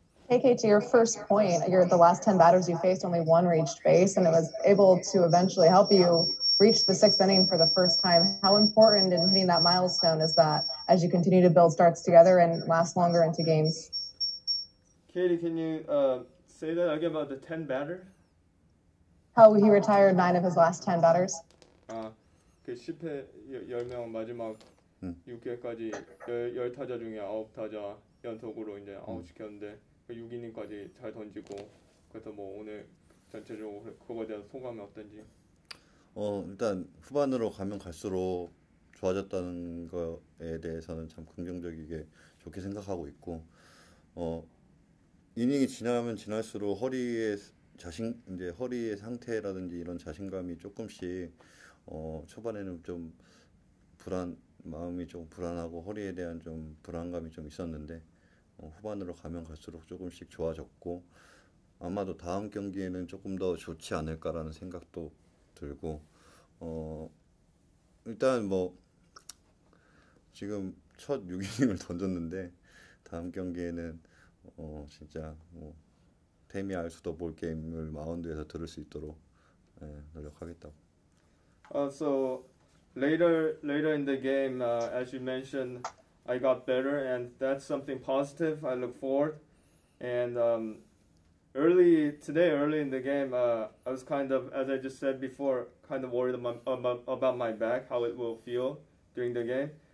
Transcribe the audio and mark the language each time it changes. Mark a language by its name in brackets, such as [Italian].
[English] KK, to your first point, you're the last 10 batters you faced, only one reached base, and it was able to eventually help you reach the sixth inning for the first time. How important in hitting that milestone is that as you continue to build starts together and last longer into games? Katie, can you say that again about the 10 batter? How he retired nine of his last 10 batters? [Korean] 그 10회 10명 마지막 6회까지 10 타자 중에 9 타자 연속으로 이제 아웃 시켰는데 그 6이닝까지 잘 던지고, 그래서 뭐 오늘 전체적으로 그거에 대한 소감이 어떤지. 일단 후반으로 가면 갈수록 좋아졌다는 거에 대해서는 참 긍정적이게 좋게 생각하고 있고, 이닝이 지나면 지날수록 이제 허리의 상태라든지 이런 자신감이 조금씩, 초반에는 좀 마음이 좀 불안하고 허리에 대한 좀 불안감이 좀 있었는데, 후반으로 가면 갈수록 조금씩 좋아졌고, 아마도 다음 경기에는 조금 더 좋지 않을까라는 생각도 들고, 일단 뭐 지금 첫 6이닝을 던졌는데 다음 경기에는 진짜 뭐 태미 알 수도 볼 게임을 마운드에서 들을 수 있도록 노력하겠다고. [English] So later in the game, as you mentioned, I got better, and that's something positive. I look forward. And early in the game, I was kind of, as I just said before, kind of worried about my back, how it will feel during the game.